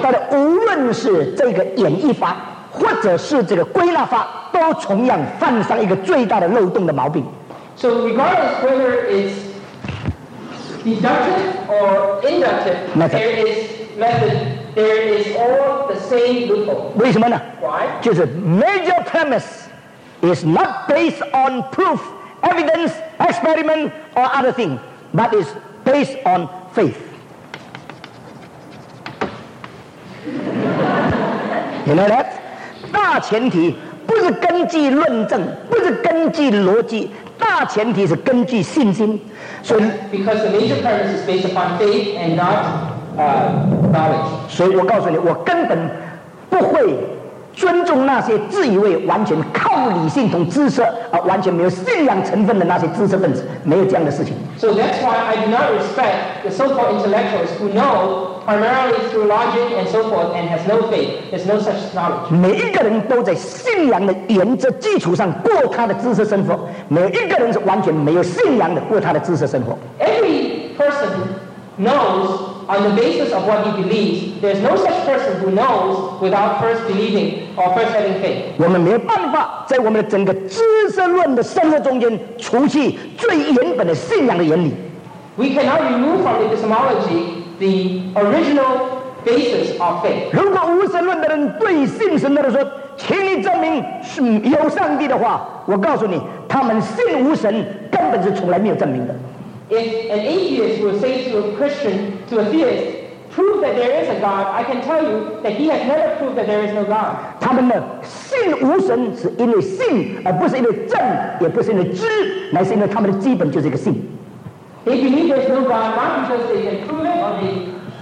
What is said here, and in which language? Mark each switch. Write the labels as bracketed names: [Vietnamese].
[Chinese] 但是无论是这个演绎法，或者是这个归纳法，都同样犯上一个最大的漏洞的毛病。 [English] So regardless whether it's deductive or inductive, there is all the same loophole. [Chinese] 为什么呢？ [English] Why? [Chinese] 就是 [English] major premise. Is not based on proof, evidence, experiment, or other thing, but is based on faith. You know that? [Chinese] 大前提不是根据论证，不是根据逻辑，大前提是根据信心。 [English] So, because the major premise is based upon faith and not knowledge. [Chinese] 所以我告诉你，我根本不会尊重那些自以为完全靠理性同知识而完全没有信仰成分的那些知识分子，没有这样的事情。 [English] So that's why I do not respect the so-called intellectuals who know primarily through logic and so forth and has no faith. There's no such knowledge. [Chinese] 每一个人都在信仰的原则基础上过他的知识生活，每一个人是完全没有信仰的过他的知识生活。 [English] Every person knows. On the basis of what he believes, there's no such person who knows without first believing or first having faith. [Chinese] 我们没有办法在我们的整个知识论的深入中间除去最原本的信仰的原理。 [English] We cannot remove from epistemology the original basis of faith. [Chinese] 如果无神论的人对信神的人说，请你证明是有上帝的话，我告诉你，他们信无神，根本是从来没有证明的。 [English] If an atheist will say to a Christian, to a theist, prove that there is a God, I can tell you that he has never proved that there is no God. [Chinese] 他们呢，信无神是因为信，而不是因为证，也不是因为知，乃是因为他们的基本就是一个信。 [English] If you believe there is no God, not because they can prove it or they.